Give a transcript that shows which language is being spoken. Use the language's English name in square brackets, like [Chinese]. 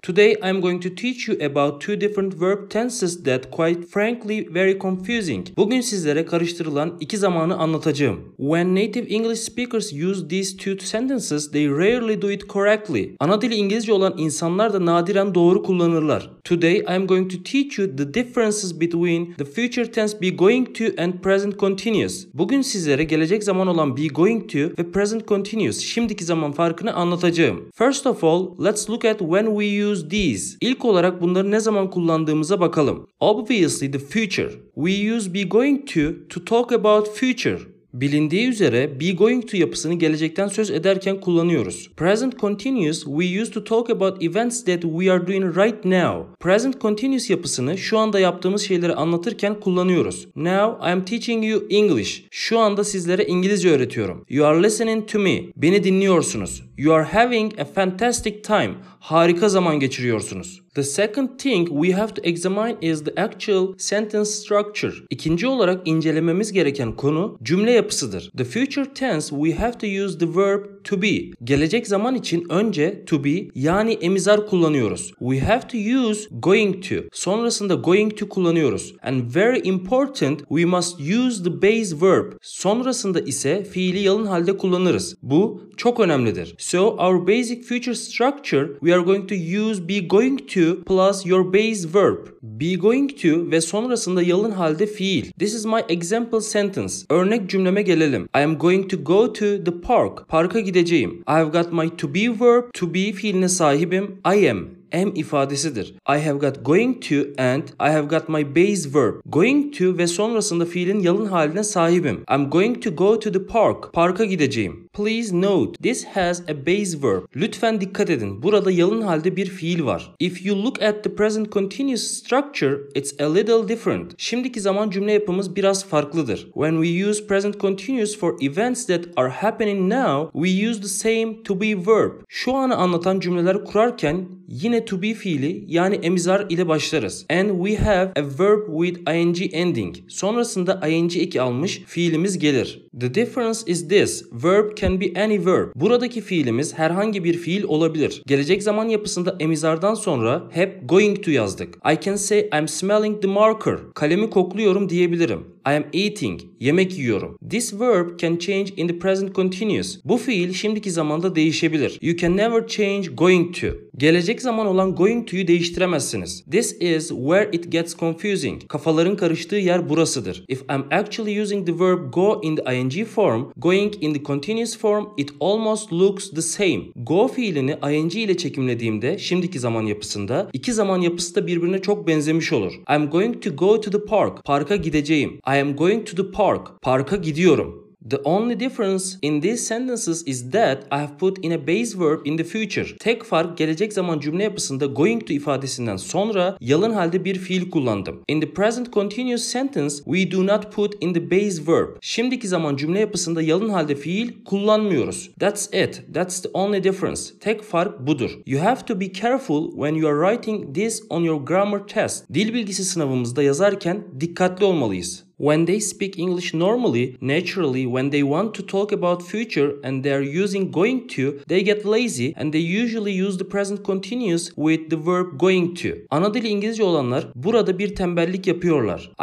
[English] Today, I'm going to teach you about two different verb tenses that quite frankly very confusing. [Turkish] Bugün sizlere karıştırılan iki zamanı anlatacağım. [English] When native English speakers use these two sentences, they rarely do it correctly. [Turkish] Ana dili İngilizce olan insanlar da nadiren doğru kullanırlar. [English] Today, I'm going to teach you the differences between the future tense be going to and present continuous. [Turkish] Bugün sizlere gelecek zaman olan be going to ve present continuous, şimdiki zaman farkını anlatacağım. [English] First of all, let's look at when we use these. [Turkish] İlk olarak bunları ne zaman kullandığımıza bakalım. [English] Obviously the future. We use be going to talk about future. [Turkish] Bilindiği üzere be going to yapısını gelecekten söz ederken kullanıyoruz. [English] Present continuous we use to talk about events that we are doing right now. [Turkish] Present continuous yapısını şu anda yaptığımız şeyleri anlatırken kullanıyoruz. [English] Now I'm teaching you English. [Turkish] Şu anda sizlere İngilizce öğretiyorum. [English] You are listening to me. [Turkish] Beni dinliyorsunuz. [English] You are having a fantastic time. [Turkish] Harika zaman geçiriyorsunuz. [English] The second thing we have to examine is the actual sentence structure. [Turkish] İkinci olarak incelememiz gereken konu cümle yapısıdır. [English] The future tense we have to use the verb to be. [Turkish] Gelecek zaman için önce to be yani emizar kullanıyoruz. [English] We have to use going to. [Turkish] Sonrasında going to kullanıyoruz. [English] And very important we must use the base verb. [Turkish] Sonrasında ise fiili yalın halde kullanırız. Bu çok önemlidir. [English] So our basic future structure we are going to use be going to plus your base verb. [Turkish] Be going to ve sonrasında yalın halde fiil. [English] This is my example sentence. [Turkish] Örnek cümleme gelelim. [English] I am going to go to the park. [Turkish] Parka gideceğim. [English] I've got my to be verb. [Turkish] To be fiiline sahibim. [English] I am. [Turkish] Am ifadesidir. [English] I have got going to and I have got my base verb. [Turkish] Going to ve sonrasında fiilin yalın haline sahibim. [English] I'm going to go to the park. [Turkish] Parka gideceğim. [English] Please note, this has a base verb. [Turkish] Lütfen dikkat edin. Burada yalın halde bir fiil var. [English] If you look at the present continuous structure, it's a little different. [Turkish] Şimdiki zaman cümle yapımız biraz farklıdır. [English] When we use present continuous for events that are happening now, we use the same to be verb. [Turkish] Şu anı anlatan cümleler kurarken yine to be fiili yani emizar ile başlarız. [English] And we have a verb with ing ending. [Turkish] Sonrasında ing eki almış fiilimiz gelir. [English] The difference is this. Verb can be any verb. [Turkish] Buradaki fiilimiz herhangi bir fiil olabilir. Gelecek zaman yapısında emizardan sonra hep going to yazdık. [English] I can say I'm smelling the marker. [Turkish] Kalemi kokluyorum diyebilirim. [English] I am eating. [Turkish] Yemek yiyorum. [English] This verb can change in the present continuous. [Turkish] Bu fiil şimdiki zamanda değişebilir. [English] You can never change going to. [Turkish] Gelecek zaman olan going to'yu değiştiremezsiniz. [English] This is where it gets confusing. [Turkish] Kafaların karıştığı yer burasıdır. [English] If I'm actually using the verb go in the ing form, going in the continuous form, it almost looks the same. [Turkish] Go fiilini ing ile çekimlediğimde şimdiki zaman yapısında iki zaman yapısı da birbirine çok benzemiş olur. [English] I'm going to go to the park. [Turkish] Parka gideceğim. [English] I am going to the park. [Turkish] Parka gidiyorum. [English] The only difference in these sentences is that I have put in a base verb in the future. [Turkish] Tek fark gelecek zaman cümle yapısında going to ifadesinden sonra yalın halde bir fiil kullandım. [English] In the present continuous sentence we do not put in the base verb. [Turkish] Şimdiki zaman cümle yapısında yalın halde fiil kullanmıyoruz. [English] That's it. That's the only difference. [Turkish] Tek fark budur. [English] You have to be careful when you are writing this on your grammar test. [Turkish] Dil bilgisi sınavımızda yazarken dikkatli olmalıyız. [English] When they speak English normally, naturally, when they want to talk about future and they are using going to, they get lazy and they usually use the present continuous with the verb going to. [Turkish] Ana dili İngilizce olanlar burada bir tembellik yapıyorlar.